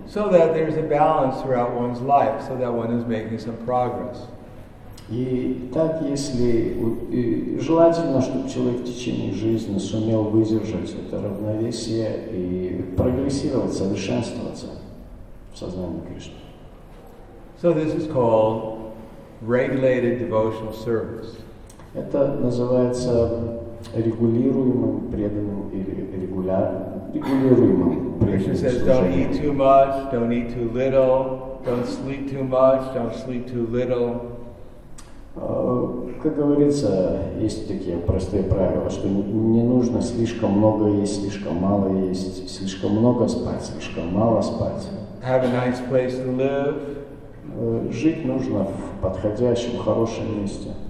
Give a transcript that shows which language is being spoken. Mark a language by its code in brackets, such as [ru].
[en] So that there's a balance throughout one's life, so that one is making some progress. [ru] И так, если желательно, чтобы человек в течение жизни сумел выдержать это равновесие и прогрессировать, совершенствоваться в сознании Кришны. [en] So this is called regulated devotional service. [ru] Это называется регулируемым преданным или регулируемым преданным служением. [en] Krishna says, don't eat too much, don't eat too little, don't sleep too much, don't sleep too little. [ru] Как говорится, есть такие простые правила, что не нужно слишком много есть, слишком мало есть, слишком много спать, слишком мало спать. [en] Have a nice place to live. [ru] Жить нужно в подходящем, хорошем месте.